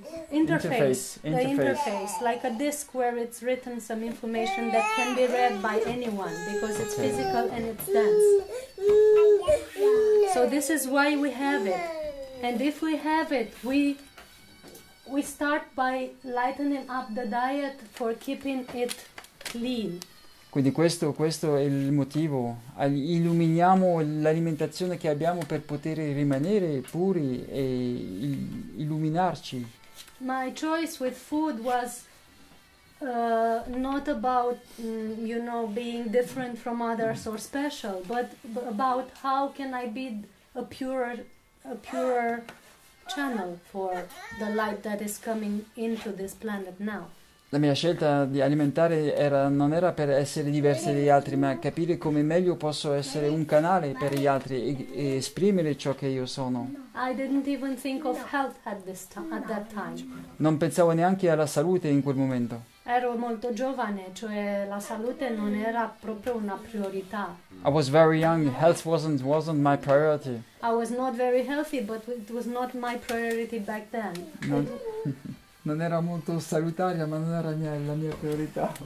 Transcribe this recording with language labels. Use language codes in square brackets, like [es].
[en] interface, the interface, like a disk where it's written some information that can be read by anyone because it's physical and it's dense. So this is why we have it. And if we have it, we start by lightening up the diet for keeping it clean. [it] Quindi questo è il motivo, illuminiamo l'alimentazione che abbiamo per poter rimanere puri e illuminarci. [en] My choice with food was not about, being different from others or special, but about how can I be a purer channel for the light that is coming into this planet now. [it] La mia scelta di alimentare non era per essere diversi dagli altri, ma capire come meglio posso essere un canale per gli altri e esprimere ciò che io sono. [en] I didn't even think of health at this at that time. [it] Non pensavo neanche alla salute in quel momento. Ero molto giovane, cioè la salute non era proprio una priorità. [en] I was very young, health wasn't my priority. I was not very healthy, but it was not my priority back [it] Non. [en] then. [it] Non era molto salutare, ma non era la mia priorità.